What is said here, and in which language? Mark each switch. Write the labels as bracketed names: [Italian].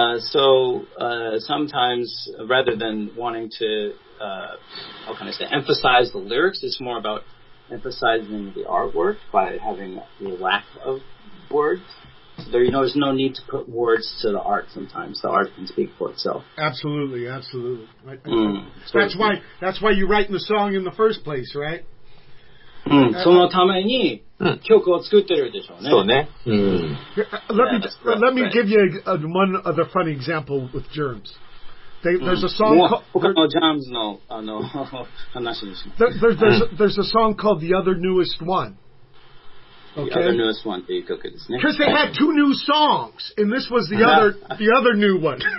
[English] So, sometimes, rather than wanting to, how can I say, emphasize the lyrics, it's more about emphasizing the artwork by having the lack of words. So there, you know, there's no need to put words to the art sometimes. The art can speak for itself. Absolutely, absolutely. Right. That's why you write the song in the first place, right? [Japanese] うん、そのために曲を作ってるでしょうね。そうね。 [English] Let me give you one other funny example with germs. There's a song called germs [Japanese] の話にします。 [English] There's a song called The Other Newest One. Okay. The other newest one that you cook it, isn't it? Because they had two new songs, and this was the other, the other new one.